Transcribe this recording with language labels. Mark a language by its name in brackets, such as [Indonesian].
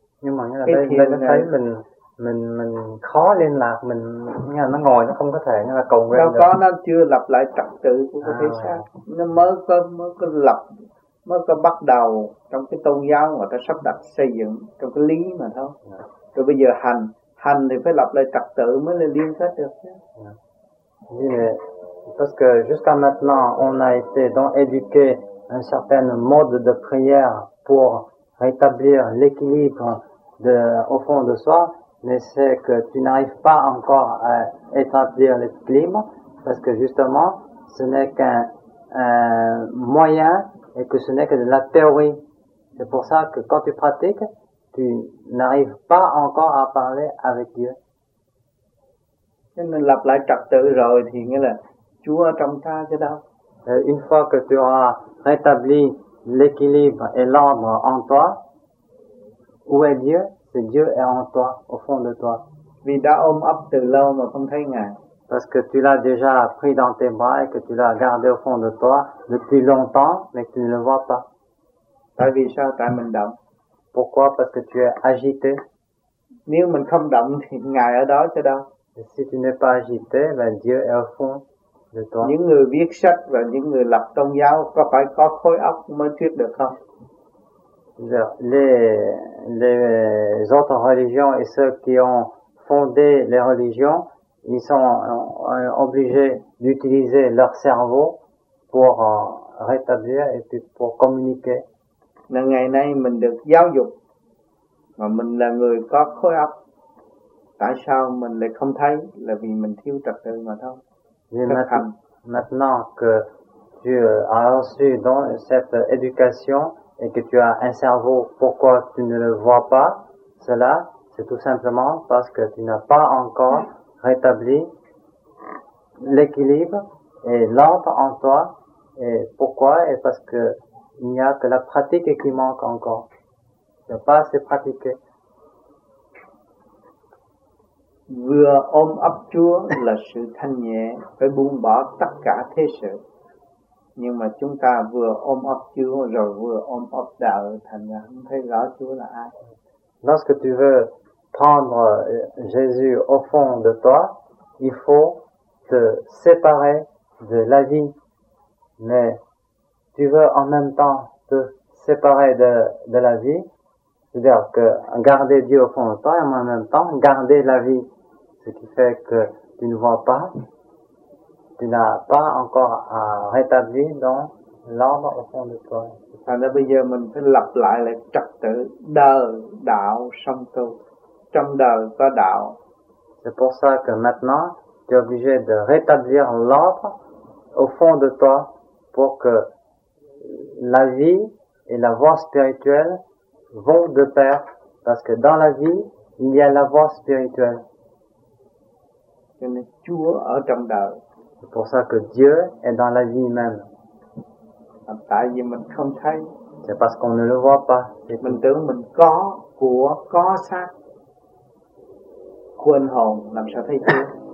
[Vietnamese] Nhưng mà nghĩa là đây thấy mình khó liên lạc, mình nghĩa là nó ngồi nó không có thể nghĩa là cầu nguyện đâu được. Có, nó chưa lập lại trật tự của cái thế gian, nó mới có lập, mới có bắt đầu trong cái tôn giáo mà ta sắp đặt xây dựng trong cái lý mà thôi. Rồi bây giờ hành thì phải lập lại trật tự mới là liên kết được chứ. [French] Oui, mais parce que jusqu'à maintenant on a été donc éduqué un certain mode de prière pour rétablir l'équilibre de au fond de soi, mais c'est que tu n'arrives pas encore à établir l'équilibre parce que justement ce n'est qu'un moyen et que ce n'est que de la théorie. C'est pour ça que quand tu pratiques, tu n'arrives pas encore à parler avec Dieu. [Vietnamese] Nên lập lại trật tự rồi thì nghĩa là Chúa ở trong ta chứ đâu. [French] Une fois que tu as rétabli l'équilibre et l'ordre en toi, où est Dieu? C'est Dieu est en toi, au fond de toi. [Vietnamese] Vì đã ôm ấp từ lâu mà không thấy Ngài. [French] Parce que tu l'as déjà pris dans tes bras et que tu l'as gardé au fond de toi depuis longtemps, mais tu ne le vois pas. [Vietnamese] Tại vì sao? Tại mình động. [French] Pourquoi? Parce que tu es agité. [Vietnamese] Nếu mình không động thì Ngài ở đó chứ đâu. [French] Et si tu n'es pas agité, ben Dieu est au fond de toi. [Vietnamese] Những người viết sách và những người lập tôn giáo có phải có khối óc mới thuyết được không? [French] Les autres religions et ceux qui ont fondé les religions, ils sont obligés d'utiliser leur cerveau pour rétablir et puis pour communiquer. [Vietnamese] Nên ngày nay mình được giáo dục mà mình là người có khối óc, tại sao mình lại không thấy? Là vì mình thiếu trật tự mà thôi. [French] Maintenant que tu as reçu donc cette éducation et que tu as un cerveau, pourquoi tu ne le vois pas? Cela, c'est tout simplement parce que tu n'as pas encore rétabli l'équilibre et l'ordre en toi. Et pourquoi? Et parce que il n'y a que la pratique qui manque encore. Tu n'as pas assez pratiqué. [Vietnamese] Vừa ôm ấp Chúa là sự thanh nhẹ, phải buông bỏ tất cả thế sự. Nhưng mà chúng ta vừa ôm ấp Chúa rồi vừa ôm ấp đạo, thành ra không thấy rõ Chúa là ai. [French] Lorsque tu veux prendre Jésus au fond de toi, il faut te séparer de la vie. Mais tu veux en même temps te séparer de la vie, c'est-à-dire que garder Dieu au fond de toi et en même temps garder la vie. Ce qui fait que tu ne vois pas, tu n'as pas encore à rétablir donc l'ordre au fond de toi. Alors là, [Vietnamese] bây giờ mình phải lập lại là trật tự đời đạo song tu, trong đời có đạo. [French] C'est pour ça que maintenant tu es obligé de rétablir l'ordre au fond de toi pour que la vie et la voie spirituelle vont de pair, parce que dans la vie il y a la voie spirituelle. [Vietnamese] Cho nên Chúa ở trong đời. [French] C'est pour ça que Dieu est dans la vie même. [Vietnamese] Tại vì mình không thấy. [French] C'est parce qu'on ne le voit pas. [Vietnamese] Mình tôi tưởng mình có của, có xác, quên hồn, làm sao thấy Chúa?